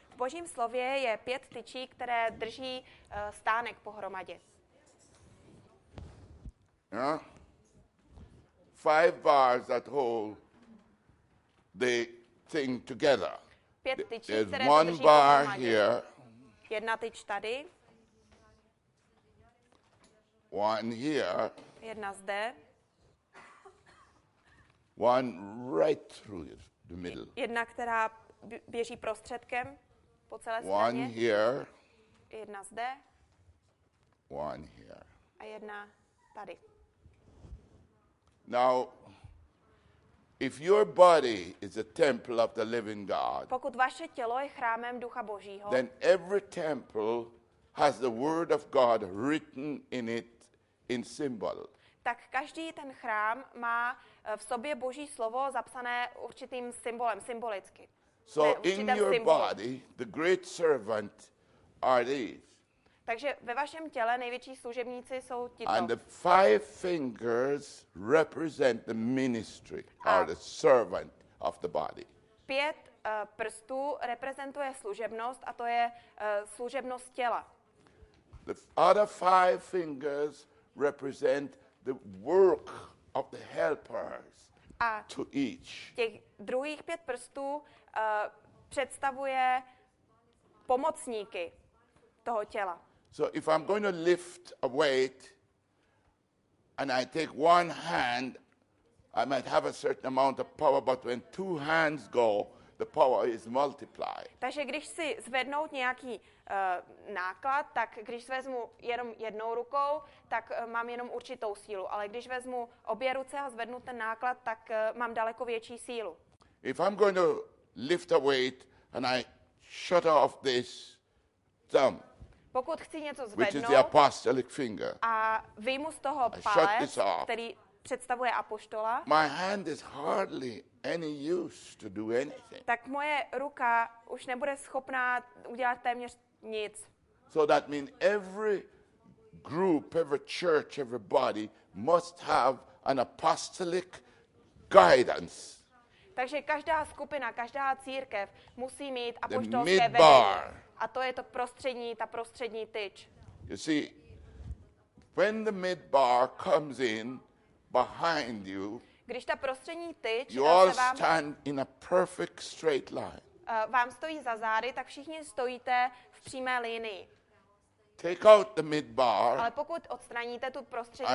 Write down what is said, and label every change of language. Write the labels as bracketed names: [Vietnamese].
[Czech] V Božím slově je pět tyčí, které drží stánek pohromadě. [English] Yeah. Five bars that hold the thing together. [Czech] Pět tyčí, [English] there's [Czech] které [English] one [Czech] drží [English] bar [Czech] pohromadě. [English] Here. [Czech] Jedna tyč tady. [English] One here. [Czech] Jedna zde. [English] One right through it, the middle. [Czech] Jedna, která běží prostředkem po celé straně. [English] One here. [Czech] Jedna zde. [English] One here. [Czech] A jedna tady. [English] Now, if your body is a temple of the living God, [Czech] pokud vaše tělo je chrámem Ducha Božího, [English] then every temple has the word of God written in it. In symbol. [Czech] Tak každý ten chrám má v sobě Boží slovo zapsané určitým symbolem, symbolicky. [English] So in your body, the great servant are these. [Czech] Takže ve vašem těle největší služebníci jsou tito. [English] And the five fingers represent the ministry, or the servant of the body. [Czech] Pět prstů reprezentuje služebnost a to je služebnost těla. [English] The other five fingers represent the work of the helpers to each. [Czech] Těch druhých pět prstů představuje pomocníky toho těla. [English] So if I'm going to lift a weight and I take one hand, I might have a certain amount of power, but when two hands go, the power is multiplied. [Czech] Takže když si zvednout nějaký náklad, tak když vezmu jenom jednou rukou, tak mám jenom určitou sílu, ale když vezmu obě ruce a zvednu ten náklad, tak mám daleko větší sílu. [English] If I'm going to lift a weight and I shut off this thumb, [Czech] pokud chci něco zvednout, [English] which is the apostolic finger, [Czech] a vyjmu z toho palec, který představuje apoštola, [English] my hand is hardly any use to do anything. [Czech] Tak moje ruka už nebude schopná udělat téměř nic. [English] So that means every group, every church, every body must have an apostolic guidance. [Czech] Takže každá skupina, každá církev musí mít apoštolské [English] mid-bar. [Czech] Vedení. A to je to prostřední, ta prostřední tyč. [English] You see, when the mid-bar comes in behind you, [Czech] když ta prostřední tyč, [English] you all stand in a perfect straight line. [Czech] Vám stojí za zády, tak všichni stojíte v přímé linii. [English] Take out the mid-bar, [Czech] ale pokud odstraníte tu prostřední